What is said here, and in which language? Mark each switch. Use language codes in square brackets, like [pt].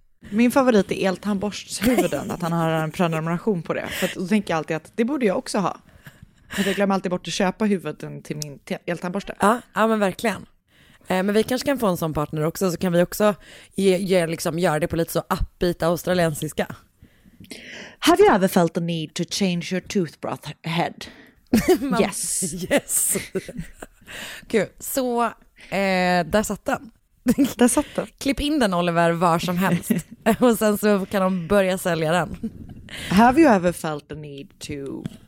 [sv] Min favorit är eltandborstshuvuden, att han har en prenumeration på det. För då tänker jag alltid att det borde jag också ha. För jag glömmer alltid bort att köpa huvuden till min eltandborste. Ja, ja men verkligen. Men vi kanske kan få en sån partner också, så kan vi också liksom göra det på lite så appbita australiensiska. [en] Have you ever felt the need to change your toothbrush head? Yes. Yes. [sv] Gud, så där satt den. Där satt den. Klipp in den, Oliver, var som helst. Och sen så kan de börja sälja den. [en] Have you ever felt the need to...